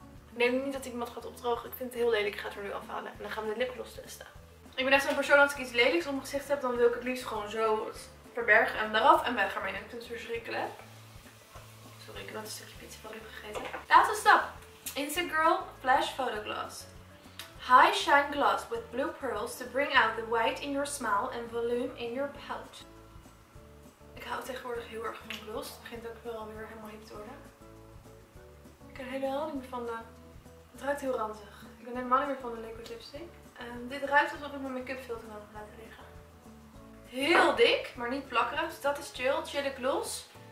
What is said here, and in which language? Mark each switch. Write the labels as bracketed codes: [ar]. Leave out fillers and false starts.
[nl] Ik neem niet dat hij mat gaat opdrogen. Ik vind het heel lelijk. Ik ga het er nu afhalen. En dan gaan we de lipgloss testen. Ik ben echt zo'n persoon, als ik iets lelijks op mijn gezicht heb, dan wil ik het liefst gewoon zo verbergen en eraf en weg ermee. Ik vind het verschrikkelijk. Sorry, ik heb net een stukje pizza van heb gegeten. Laatste stap. Instagirl Flash Photo Gloss. [en] High shine gloss with blue pearls to bring out the white in your smile and volume in your pout. [nl] Ik hou tegenwoordig heel erg van gloss. Het begint ook wel weer helemaal hip te worden. Ik heb een hele helder niet meer van de... Het ruikt heel ranzig. Ik ben helemaal niet meer van de liquid lipstick. Dit ruikt alsof ik mijn make-up filter nog heb laten liggen. Heel dik, maar niet plakkerig. Dus dat is chill. Chill gloss.